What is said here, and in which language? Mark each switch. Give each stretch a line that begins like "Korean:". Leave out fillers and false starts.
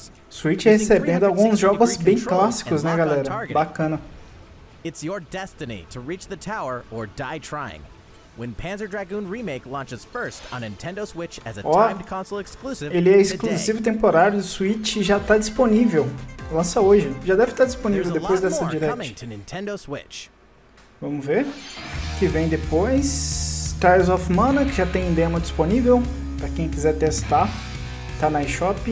Portuguese: Switch recebendo alguns jogos bem clássicos, né, galera? Bacana.
English: It's your destiny to reach the tower or die trying. When Panzer Dragoon Remake launches first on Nintendo Switch as a timed console exclusive.
Portuguese: Ele é exclusivo temporário do Switch e já está disponível. Lança hoje. Já deve estar disponível depois dessa direct. Vamos ver. O que vem depois? Trials of Mana, que já tem demo disponível. Para quem quiser testar, tá na eShop.